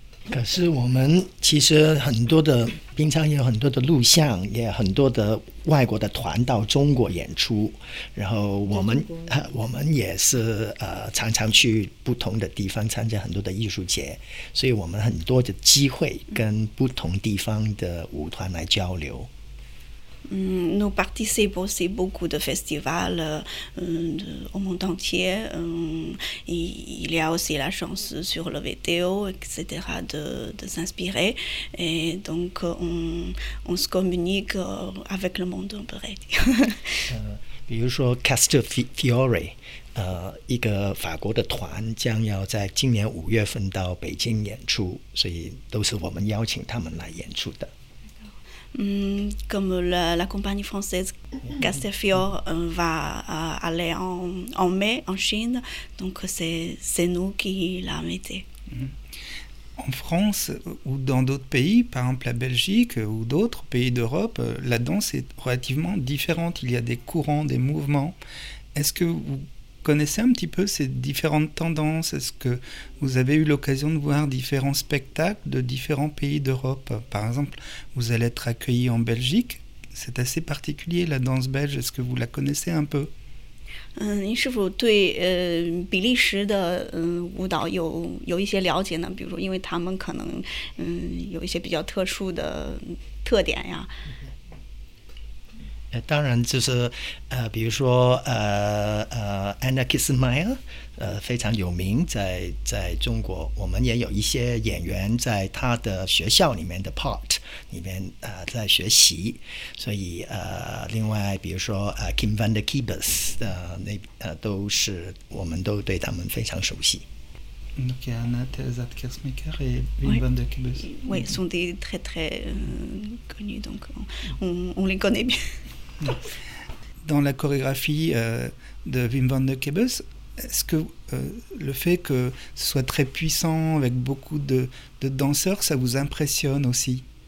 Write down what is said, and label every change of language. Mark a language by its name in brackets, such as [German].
[Chinese] 可是我们其实很多的平常也有很多的录像，也很多的外国的团到中国演出，然后我们也是常常去不同的地方参加很多的艺术节，所以我们很多的机会跟不同地方的舞团来交流。 [French] Nous participons aussi beaucoup de festivals au monde entier. Il y a aussi la chance sur le vidéo, etc., de s'inspirer. Et donc, on se communique avec le monde, on pourrait dire. [Chinese] 比如说 Castelfiore, 一个法国的团将要在今年五月份到北京演出，所以都是我们邀请他们来演出的。 [French] Comme la compagnie française Castelfiore va aller en mai en Chine, donc c'est nous qui l'a invité. En France ou dans d'autres pays, par exemple la Belgique ou d'autres pays d'Europe, la danse est relativement différente. Il y a des courants, des mouvements. Est-ce que vous connaissez un petit peu ces différentes tendances ? Est-ce que vous avez eu l'occasion de voir différents spectacles de différents pays d'Europe ? Par exemple, vous allez être accueilli en Belgique. C'est assez particulier, la danse belge. Est-ce que vous la connaissez un peu ? [Chinese] 您是否对比利时的舞蹈有一些了解呢？比如说，因为他们可能有一些比较特殊的特点呀。当然就是比如说Anna Kissmeyer非常有名，在中国我们也有一些演员在他的学校里面的 part 里面在学习，所以另外比如说Kim van der Kiebes都是我们都对他们非常熟悉。 [French] Donc, il y a Anna Zadkersmaker et Wim van der Kiebes. Oui, ce sont des très très connus, donc on les connaît bien. Dans la chorégraphie de Wim van der Kiebes, est-ce que le fait que ce soit très puissant avec beaucoup de danseurs, ça vous impressionne aussi?